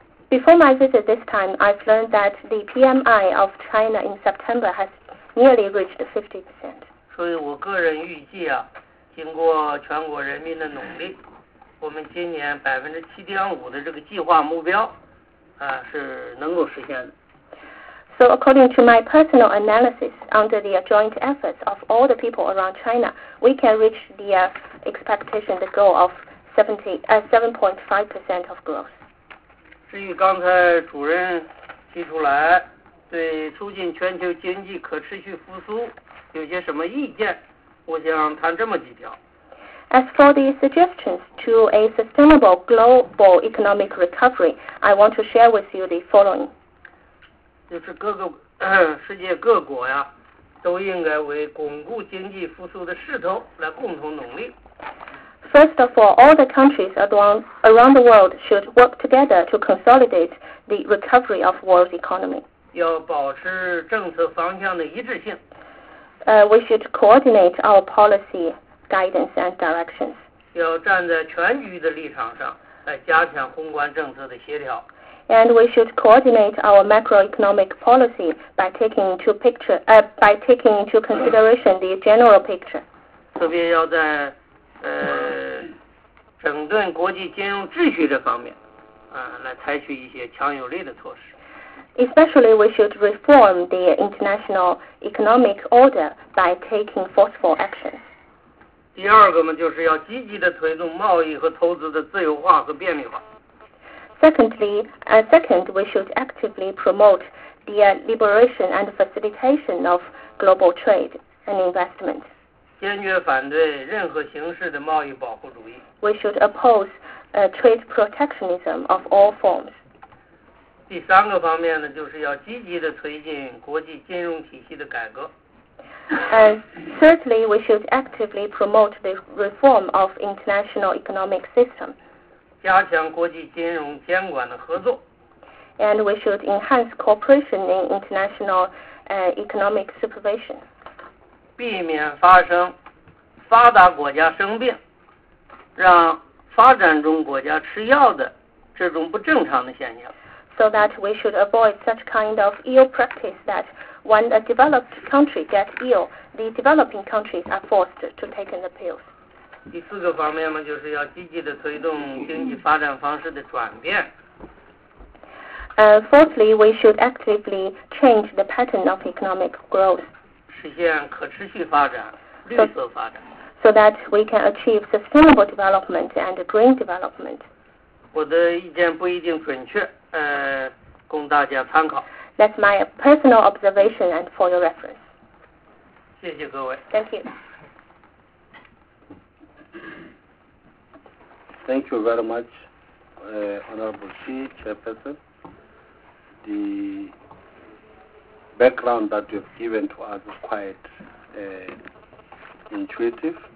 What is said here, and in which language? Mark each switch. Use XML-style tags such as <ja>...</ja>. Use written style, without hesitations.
<en>Before my visit this time, I've learned that the PMI of China in September has nearly reached 50%.</en> <zh>所以我个人预计啊，经过全国人民的努力，我们今年7.5%的这个计划目标是能够实现的。</zh> <en>So according to my personal analysis, under the joint efforts of all the people around China, we can reach the expectation, the goal of 7.5% of growth.</en> <zh>至于刚才主任提出来对促进全球经济可持续复苏有些什么意见，我想谈这么几条。</zh> <en>As for the suggestions to a sustainable global economic recovery, I want to share with you the following.</en> <zh>就是各个世界各国呀，都应该为巩固经济复苏的势头来共同努力。</zh> <en>First of all the countries around the world should work together to consolidate the recovery of world economy.</en> <zh>要保持政策方向的一致性。</zh> <en>We should coordinate our policy guidance and directions.</en> <zh>要站在全局的立场上来加强宏观政策的协调。</zh> <en>And we should coordinate our macroeconomic policy by taking into consideration the general picture.</en> <zh>特别要在整顿国际金融秩序这方面来采取一些强有力的措施。</zh> <en>Especially we should reform the international economic order by taking forceful action.</en> <zh>第二个嘛，就是要积极的推动贸易和投资的自由化和便利化。</zh> <en>Second, we should actively promote the liberation and facilitation of global trade and investment.</en> <zh>坚决反对任何形式的贸易保护主义。</zh> <en>We should oppose trade protectionism of all forms.</en> <zh>第三个方面呢，就是要积极地推进国际金融体系的改革。</zh> <en>Thirdly, we should actively promote the reform of international economic system.</en> <zh>加强国际金融监管的合作。</zh> <en>And we should enhance cooperation in international economic supervision.</en> <zh>避免发生发达国家生病，让发展中国家吃药的这种不正常的现象。</zh> <en>so that we should avoid such kind of ill practice that when a developed country gets ill, the developing countries are forced to take the pills.</en> <zh>第四个方面呢，就是要积极地推动经济发展方式的转变。</zh> <en>Fourthly, we should actively change the pattern of economic growth.</en> <zh>实现可持续发展，绿色发展。</zh> <en>So that we can achieve sustainable development and green development.</en> <zh>我的意见不一定准确，供大家参考。</zh> <en>That's my personal observation and for your reference.</en> <zh>谢谢各位。</zh> <en>Thank you. Thank you very much, Honorable Xi, Chairperson. The background that you've given to us is quite intuitive.</en>